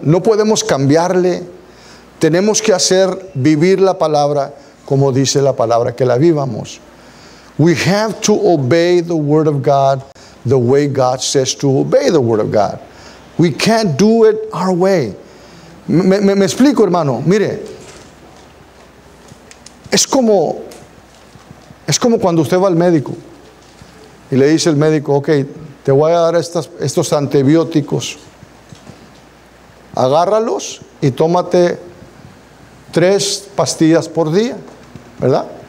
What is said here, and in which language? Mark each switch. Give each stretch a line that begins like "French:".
Spanish: No podemos cambiarle. Tenemos que hacer vivir la palabra como dice la palabra, que la vivamos.
English: We have to obey the word of God the way God says to obey the word of God. We can't do it our way.
Spanish: Me explico, hermano. Mire, es como cuando usted va al médico y le dice el médico, ok, te voy a dar estos antibióticos. Agárralos y tómate 3 pastillas por día, ¿verdad?